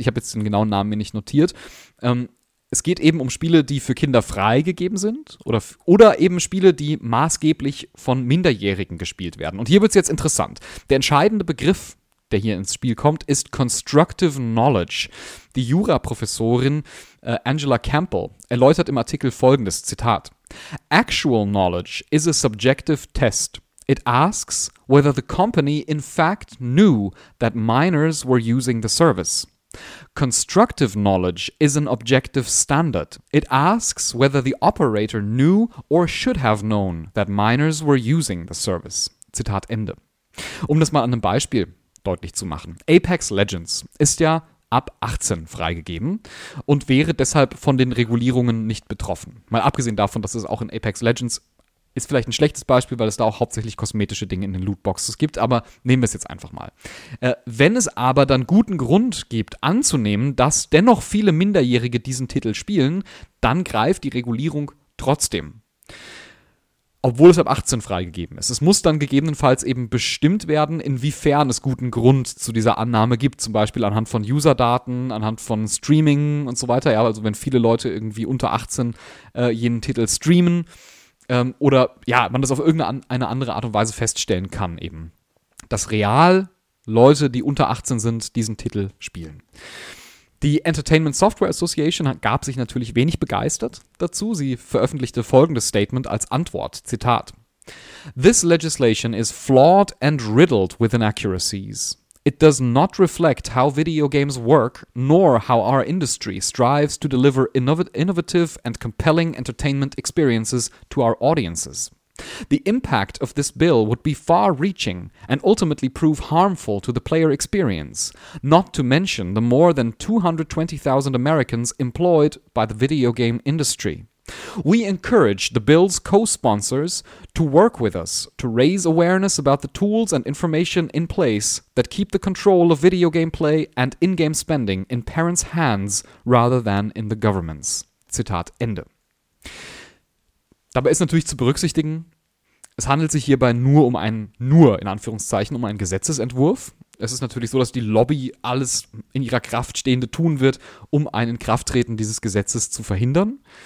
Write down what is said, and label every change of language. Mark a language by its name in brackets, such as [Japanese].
[German] Ich habe jetzt den genauen Namen mir nicht notiert. Es geht eben um Spiele, die für Kinder freigegeben sind oder eben Spiele, die maßgeblich von Minderjährigen gespielt werden. Und hier wird es jetzt interessant. Der entscheidende Begriff, der hier ins Spiel kommt, ist Constructive Knowledge. Die Juraprofessorin Angela Campbell erläutert im Artikel folgendes Zitat. [English] Actual knowledge is a subjective test. It asks whether the company in fact knew that minors were using the service. Constructive knowledge is an objective standard. It asks whether the operator knew or should have known that minors were using the service. [German] Zitat Ende. Um das mal an einem Beispiel deutlich zu machen. Apex Legends ist ja ab 18 freigegeben und wäre deshalb von den Regulierungen nicht betroffen. Mal abgesehen davon, dass es auch in Apex Legends ist vielleicht ein schlechtes Beispiel, weil es da auch hauptsächlich kosmetische Dinge in den Lootboxes gibt, aber nehmen wir es jetzt einfach mal. Wenn es aber dann guten Grund gibt, anzunehmen, dass dennoch viele Minderjährige diesen Titel spielen, dann greift die Regulierung trotzdem. Obwohl es ab 18 freigegeben ist. Es muss dann gegebenenfalls eben bestimmt werden, inwiefern es guten Grund zu dieser Annahme gibt. Zum Beispiel anhand von Userdaten, anhand von Streaming und so weiter. Ja, also wenn viele Leute irgendwie unter 18 jenen Titel streamen oder ja, man das auf irgendeine andere Art und Weise feststellen kann eben. Dass real Leute, die unter 18 sind, diesen Titel spielen. Die Entertainment Software Association gab sich natürlich wenig begeistert dazu. Sie veröffentlichte folgendes Statement als Antwort. [English] Zitat: This legislation is flawed and riddled with inaccuracies. It does not reflect how video games work, nor how our industry strives to deliver innovative and compelling entertainment experiences to our audiences. The impact of this bill would be far-reaching and ultimately prove harmful to the player experience, not to mention the more than 220,000 Americans employed by the video game industry. We encourage the bill's co-sponsors to work with us to raise awareness about the tools and information in place that keep the control of video game play and in-game spending in parents' hands rather than in the government's. [German] Zitat Ende. Dabei ist natürlich zu berücksichtigen, es handelt sich hierbei nur in Anführungszeichen um einen Gesetzesentwurf. Es ist natürlich so, dass die Lobby alles in ihrer Kraft Stehende tun wird, um ein Inkrafttreten dieses Gesetzes zu verhindern.